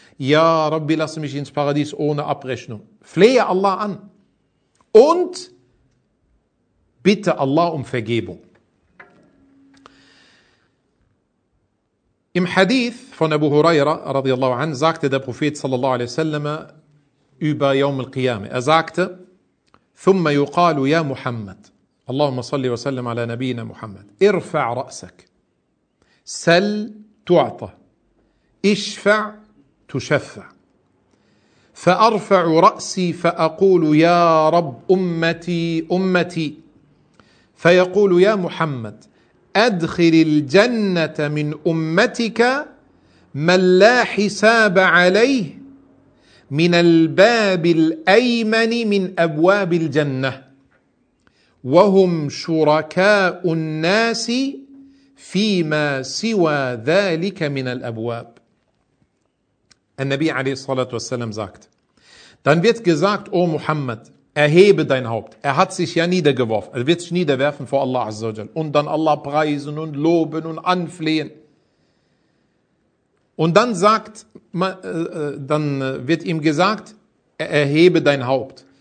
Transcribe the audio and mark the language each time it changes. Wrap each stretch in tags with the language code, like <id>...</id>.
<de>Ja Rabbi, lass mich ins Paradies ohne Abrechnung. Flehe Allah an und bitte Allah um Vergebung. Im Hadith von Abu Huraira radiallahu anhu sagte der Prophet sallallahu alaihi wasallam über Yawm al-Qiyamah. Er sagte,</de> <ar>ثم يقال يا محمد اللهم صل وسلم على نبينا محمد ارفع رأسك سل تعطى اشفع تشفع فأرفع رأسي فأقول يا رب أمتي أمتي فيقول يا محمد أدخل الجنة من أمتك من لا حساب عليه من الباب الأيمن من أبواب الجنة وَهُمْ شُرَكَاءُ النَّاسِ فِي مَا سِوَى ذَٰلِكَ مِنَ الْأَبْوَابِ.</ar> <de>Nabi a.s.w. sagt, dann wird gesagt, O Muhammad, erhebe dein Haupt. Er hat sich ja niedergeworfen. Er wird sich niederwerfen vor Allah azzawajal. Und dann Allah preisen und loben und anflehen. Und dann sagt, dann wird ihm gesagt, erhebe dein Haupt.</de>